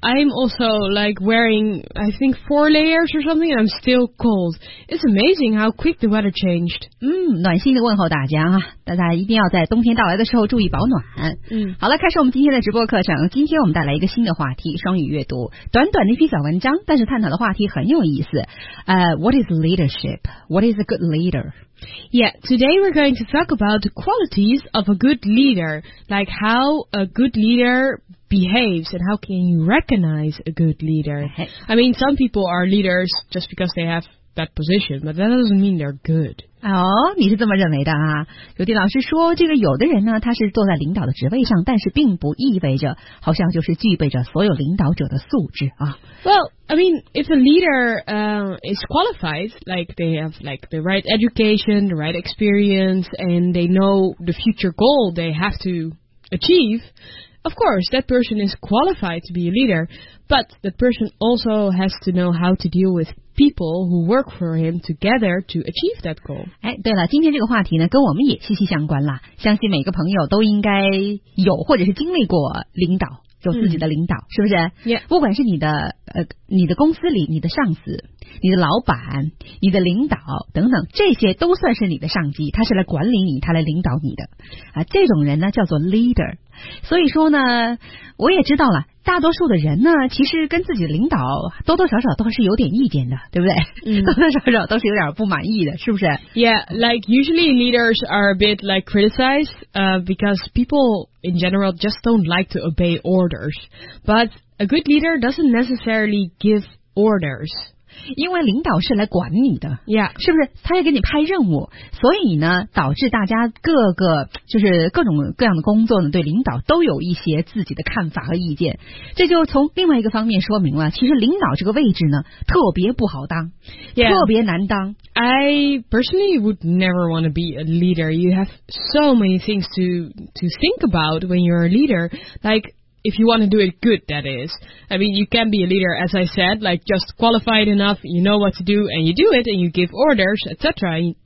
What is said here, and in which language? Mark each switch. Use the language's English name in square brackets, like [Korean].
[English] I'm also like wearing, I think, 4 layers or something, and I'm still cold. It's amazing how quick the weather changed. [Chinese] 暖心的问候大家啊，大家一定要在冬天到来的时候注意保暖。好了，开始我们今天的直播课程，今天我们带来一个新的话题，双语阅读，短短的一篇小文章，但是探讨的话题很有意思。 [English] What is leadership? What is a good leader? Yeah, today we're going to talk about the qualities of a good leader, like how a good leader behaves and how can you recognize a good leader. I mean, some people are leaders just because they have that position, but that doesn't mean they're good. [Chinese] 你是这么认为的啊？有的老师说，这个有的人呢，他是坐在领导的职位上，但是并不意味着好像就是具备着所有领导者的素质啊。 [English] Well,I mean, if a leader, is qualified, like they have like the right education, the right experience, and they know the future goal they have to achieve, of course, that person is qualified to be a leader, but that person also has to know how to deal with people who work for him together to achieve that goal. [Chinese] 对了，今天这个话题呢，跟我们也息息相关了，相信每个朋友都应该有或者是经历过领导。有自己的领导，是不是？ [English] Yeah. [Chinese] 不管是你的你的公司里，你的上司，你的老板，你的领导等等，这些都算是你的上级，他是来管理你，他来领导你的啊。这种人呢叫做 leader。所以说呢，我也知道了，大多数的人呢，其实跟自己的领导多多少少都是有点意见的，对不对？多多少少都是有点不满意的，是不是？ [English] Yeah, like usually leaders are a bit like criticized, because people. In general, just don't like to obey orders. But a good leader doesn't necessarily give orders. [Chinese] 因为领导是来管你的。 [English] Yeah. [Chinese] 是不是？他要给你派任务。所以呢，导致大家各个，就是各种各样的工作呢，对领导都有一些自己的看法和意见。这就从另外一个方面说明了，其实领导这个位置呢，特别不好当。 [English] Yeah. [Chinese] 特别难当。 [English] I personally would never want to be a leader. You have so many things to think about when you're a leader. Like, if you want to do it good, that is. I mean, you can be a leader, as I said, like just qualified enough, you know what to do, and you do it, and you give orders, etc.